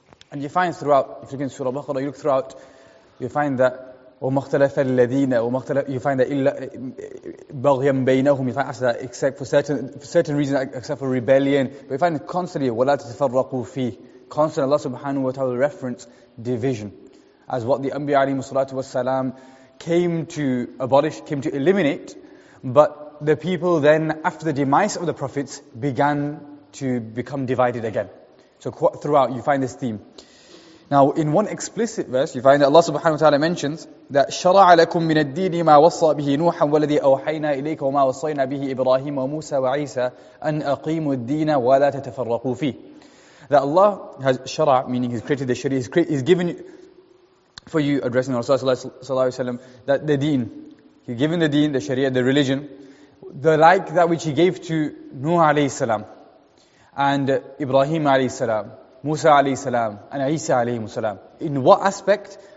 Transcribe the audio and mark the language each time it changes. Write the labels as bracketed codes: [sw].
[en] And you find throughout, if you look in Surah Baqarah, you look throughout, you find that [ar] وَمَخْتَلَفَ الَّذِينَ وَمَخْتَلَفَ, [en] you find that [ar] إِلَّا بَغْيًا بَيْنَهُمْ, [en] you find after that, except for certain reasons, except for rebellion, but you find constantly [ar] وَلَا تَتَفَرَّقُوا فِيهِ, [en] constantly Allah subhanahu wa ta'ala reference division as what the Anbiya alayhimu salatu wasalam came to abolish, came to eliminate, but the people then, after the demise of the prophets, began to become divided again. So throughout you find this theme. Now in one explicit verse you find that Allah subhanahu wa ta'ala mentions that [ar] شَرَعَ لَكُم مِنَ الدِّينِ مَا وَصَّى بِهِ نُوحًا وَالَّذِي أَوْحَيْنَا إِلَيْكَ وَمَا وَصَّيْنَا بِهِ إِبْرَاهِيمَ وَمُوسَى وَعِيسَى أَنْ أَقِيمُوا الدِّينَ وَلَا تَتَفَرَّقُوا فِيهِ. [en] That Allah has shara, meaning He's created the sharia, He's given for you, addressing Rasulullah sallallahu alayhi wa sallam, that the deen, He's given the deen, the sharia, the religion, the like that which He gave to Nuh alayhi salam, and Ibrahim alayhi salam, Musa alayhi salam, and Isa alayhi salam. In what aspect?